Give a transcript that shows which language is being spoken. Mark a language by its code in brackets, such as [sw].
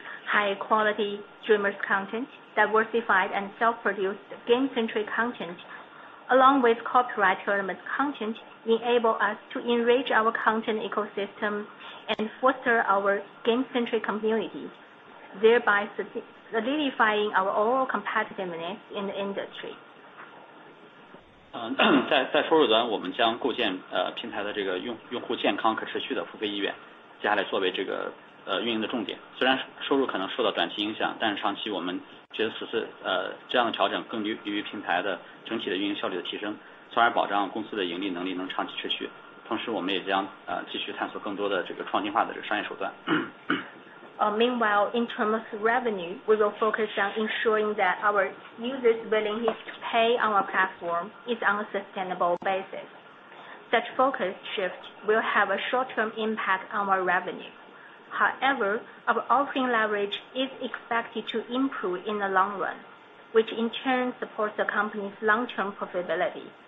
[en] High-quality streamers content, diversified and self-produced game-centric content, along with copyright tournament content,enable us to enrich our content ecosystem and foster our game-centric community, thereby solidifying our overall competitiveness in the industry. [zh] 在收入端，我们将构建平台的这个用户健康可持续的付费意愿，接下来作为这个运营的重点。虽然收入可能受到短期影响，但是长期我们觉得此次这样的调整更利于平台的整体的运营效率的提升。从而保障公司的盈利能力能长期持续，同时我们也将继续探索更多的这个创新化的这个商业手段。 [en] Meanwhile, in terms of revenue, we will focus on ensuring that our users' willingness to pay on our platform is on a sustainable basis. such focus shift will have a short-term impact on our revenue. However, our operating leverage is expected to improve in the long run, which in turn supports the company's long-term profitability.